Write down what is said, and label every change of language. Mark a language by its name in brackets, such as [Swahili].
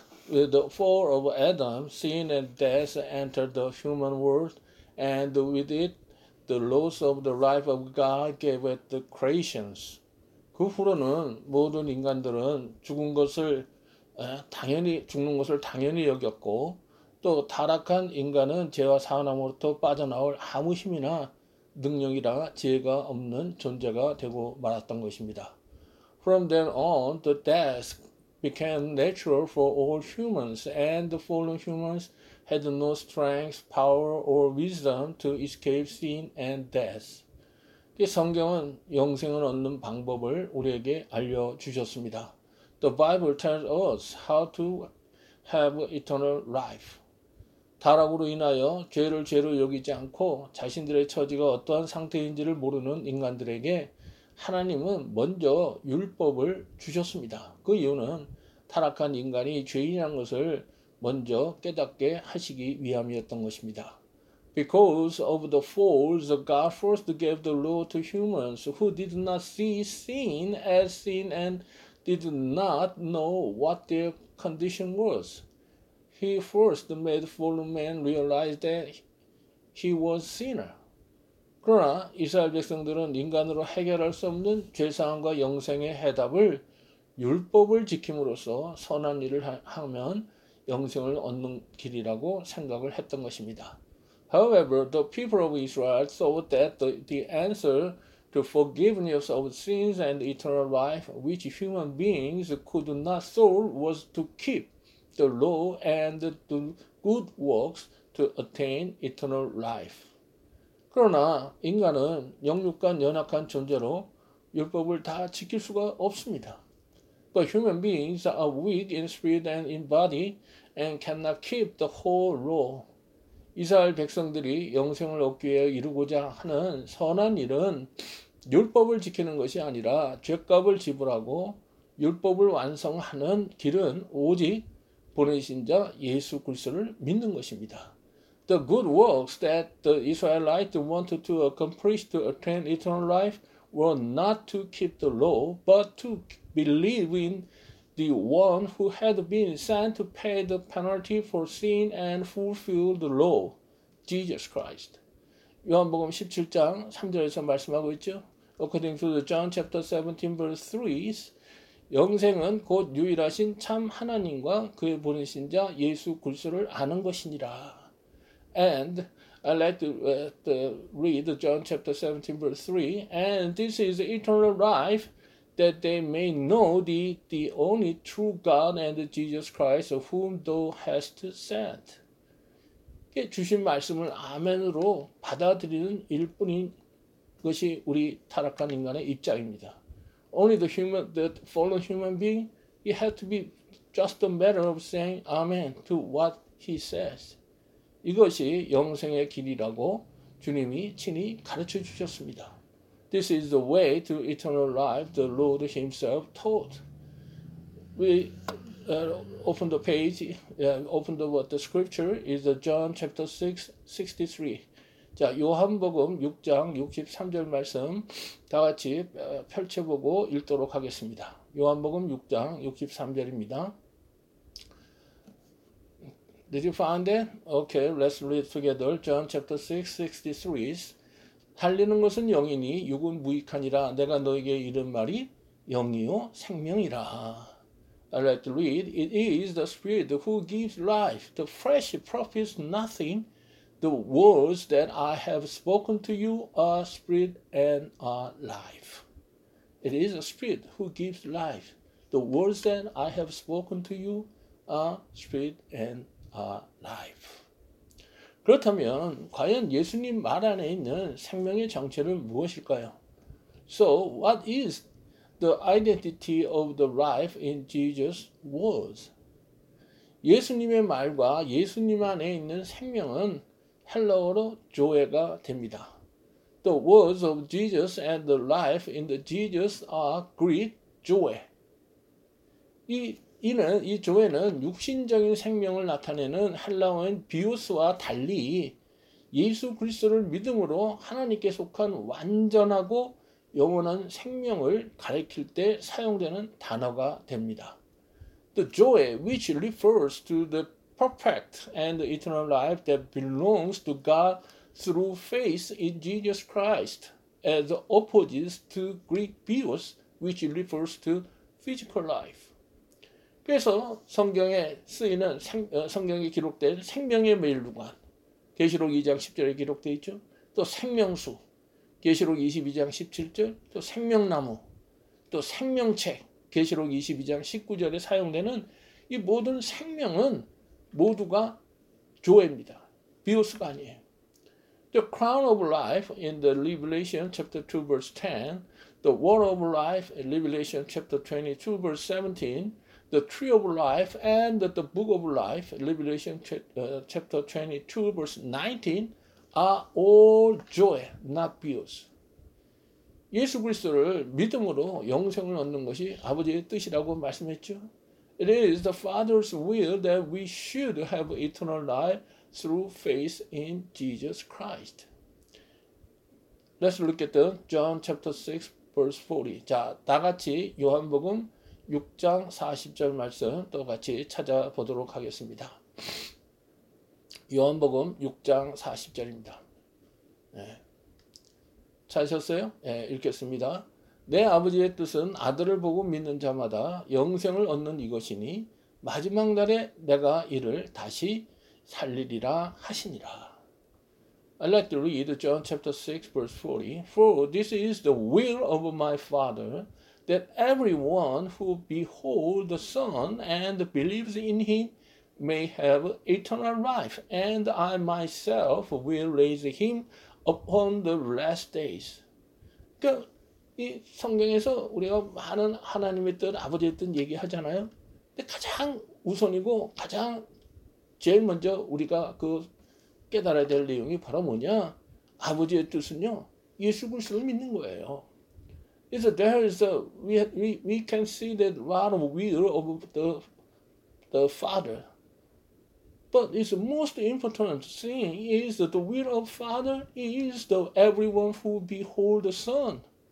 [English] With the fall of Adam, sin and death entered the human world, and with it, the loss of the life of God gave it the creations. [Korean] 그 후로는 모든 인간들은 죽은 것을 당연히 죽는 것을 당연히 여겼고 또 타락한 인간은 죄와 사망으로부터 빠져나올 아무 힘이나 능력이나 지혜가 없는 존재가 되고 말았던 것입니다. [English] From then on, the death became natural for all humans, and the fallen humans had no strength, power, or wisdom to escape sin and death. [Korean] 성경은 영생을 얻는 방법을 우리에게 알려주셨습니다. [English] The Bible tells us how to have eternal life. [Korean] 타락으로 인하여 죄를 죄로 여기지 않고 자신들의 처지가 어떠한 상태인지를 모르는 인간들에게 하나님은 먼저 율법을 주셨습니다. 그 이유는 타락한 인간이 죄인이라는 것을 먼저 깨닫게 하시기 위함이었던 것입니다. [English] Because of the fall, God first gave the law to humans who did not see sin as sin and did not know what their condition was. He first made fallen man realize that he was a sinner. [Korean] 그러나 이스라엘 백성들은 인간으로 해결할 수 없는 죄사함과 영생의 해답을 율법을 지킴으로써 선한 일을 하면 영생을 얻는 길이라고 생각을 했던 것입니다. [English] However, the people of Israel thought that the answer to forgiveness of sins and eternal life, which human beings could not solve, was to keep the law and do good works to attain eternal life. [Korean] 그러나 인간은 영육간 연약한 존재로 율법을 다 지킬 수가 없습니다. [English] But human beings are weak in spirit and in body and cannot keep the whole law. [Korean] 이스라엘 백성들이 영생을 얻기 위해 이루고자 하는 선한 일은 율법을 지키는 것이 아니라 죄값을 지불하고 율법을 완성하는 길은 오직 보내신 자 예수 그리스도를 믿는 것입니다. [English] The good works that the Israelites wanted to accomplish to attain eternal life were not to keep the law, but to believe in the one who had been sent to pay the penalty for sin and fulfill the law, Jesus Christ. [Korean] 요한복음 17장 3절에서 말씀하고 있죠. [English] According to the John chapter 17 verse 3, [Korean] 영생은 곧 유일하신 참 하나님과 그의 보내신 자 예수 그리스도를 아는 것이니라. [English] And I'd like to read John chapter 17 verse 3, and this is eternal life, that they may know thee, the only true God and Jesus Christ, of whom thou hast sent. [Korean] 주신 말씀을 아멘으로 받아들이는 일뿐인 것이 우리 타락한 인간의 입장입니다. [English] Only the fallen human being, it has to be just a matter of saying amen to what he says. [Korean] 이것이 영생의 길이라고 주님이 친히 가르쳐 주셨습니다. [English] This is the way to eternal life the Lord himself taught. We open the page, open the what the scripture is John chapter 6, 63. [Korean] 자, 요한복음 6장 63절 말씀 다 같이 펼쳐보고 읽도록 하겠습니다. 요한복음 6장 63절입니다. [English] Did you find it? Okay, let's read together. John chapter 6, 63. [Korean] 살리는 것은 영이니 육은 무익하니라. 내가 너에게 이른 말이 영이요 생명이라. [English] I'd like to read. It is the Spirit who gives life. The flesh profits nothing. The words that I have spoken to you are spirit and are life. It is the Spirit who gives life. The words that I have spoken to you are spirit and life. Life. [Korean] 그렇다면 과연 예수님 말 안에 있는 생명의 정체는 무엇일까요? [English] So what is the identity of the life in Jesus' words? [Korean] 예수님의 말과 예수님 안에 있는 생명은 헬라어로 조에가 됩니다. [English] The words of Jesus and the life in the Jesus are Greek joe. [Korean] 이 조에는 육신적인 생명을 나타내는 헬라어인 비오스와 달리 예수 그리스도를 믿음으로 하나님께 속한 완전하고 영원한 생명을 가리킬 때 사용되는 단어가 됩니다. [English] The joy which refers to the perfect and eternal life that belongs to God through faith in Jesus Christ as opposed to Greek bios which refers to physical life. [Korean] 그래서 성경에 쓰이는 성경에 기록된 생명의 멸류관 계시록 2장 10절에 기록되어 있죠. 또 생명수 계시록 22장 17절 또 생명나무 또 생명책 계시록 22장 19절에 사용되는 이 모든 생명은 모두가 조에입니다. 비오스가 아니에요. [English] The crown of life in the Revelation chapter 2 verse 10, the water of life in Revelation chapter 22 verse 17, The tree of life and the book of life, Revelation chapter 22, verse 19, are all joy, not bios. [Korean] 예수 그리스도를 믿음으로 영생을 얻는 것이 아버지의 뜻이라고 말씀했죠. [English] It is the Father's will that we should have eternal life through faith in Jesus Christ. Let's look at the John chapter 6, verse 40. [Korean] 자, 다 같이 요한복음 6장 40절 말씀 또 같이 찾아보도록 하겠습니다. 요한복음 6장 40절입니다. 네. 찾으셨어요? 네, 읽겠습니다. 내 아버지의 뜻은 아들을 보고 믿는 자마다 영생을 얻는 이것이니 마지막 날에 내가 이를 다시 살리리라 하시니라. [English] I'd like to read John chapter 6 verse 40. For this is the will of my Father, that everyone who beholds the Son and believes in him may have eternal life, and I myself will raise him upon the last days. [Korean] 그러니까 이 성경에서 우리가 많은 하나님의 뜻, 아버지의 뜻 얘기하잖아요. 근데 가장 우선이고 가장 제일 먼저 우리가 그 깨달아야 될 내용이 바로 뭐냐? 아버지의 뜻은요, 예수 그리스도를 믿는 거예요. [English] So there is a we can see that right will of the Father. But it's most important thing is that the will of Father is the everyone who behold the Son.